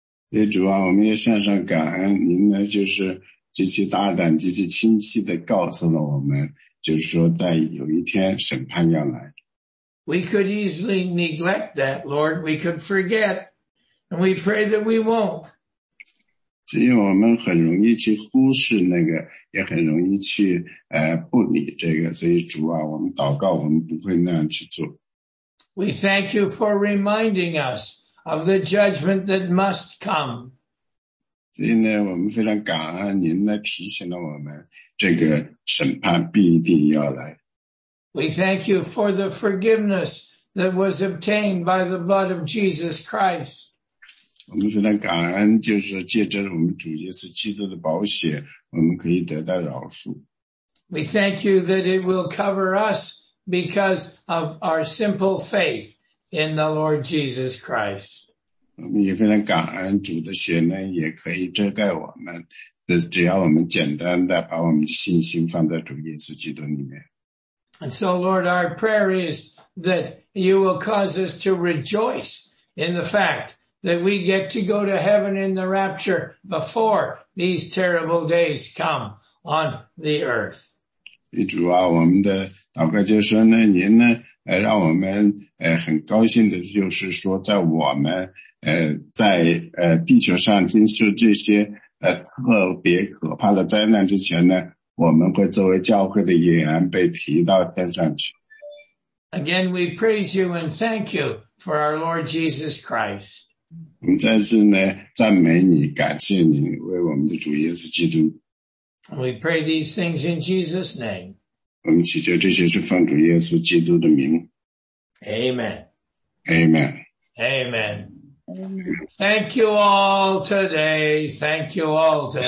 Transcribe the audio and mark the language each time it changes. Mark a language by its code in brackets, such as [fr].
[zh] 耶主啊，我们也向上感恩您呢，就是极其大胆、极其清晰地告诉了我们，就是说在有一天审判要来。 [en] We could easily neglect that, Lord. We could forget. And we pray that we won't. [zh] 所以我们很容易去忽视那个，也很容易去不理这个。所以主啊，我们祷告，我们不会那样去做。 [en] We thank you for reminding us of the judgment that must come. [zh] 所以呢，我们非常感恩您呢提醒了我们，这个审判必定要来。 [en] We thank you for the forgiveness that was obtained by the blood of Jesus Christ. [zh] 我们非常感恩，就是借着我们主耶稣基督的宝血，我们可以得到饶恕。 [en] We thank you that it will cover us because of our simple faith in the Lord Jesus Christ. [zh] 我们也非常感恩主的血呢，也可以遮盖我们，只要我们简单的把我们的信心放在主耶稣基督里面。 [en] And so, Lord, our prayer is that you will cause us to rejoice in the fact that we get to go to heaven in the rapture before these terrible days come on the earth. [zh] 主啊，我们的祷告就说呢，您呢，让我们很高兴的就是说，在我们在地球上经受这些特别可怕的灾难之前呢，我们会作为教会的演员被提到天上去。 [en] Again, we praise you and thank you for our Lord Jesus Christ. [zh] 我们再次呢赞美你，感谢你为我们的主耶稣基督。 [en] We pray these things in Jesus' name. [zh] 我们祈求这些是奉主耶稣基督的名。 [en] Amen. Amen. Amen. Thank you all today. Thank you all today.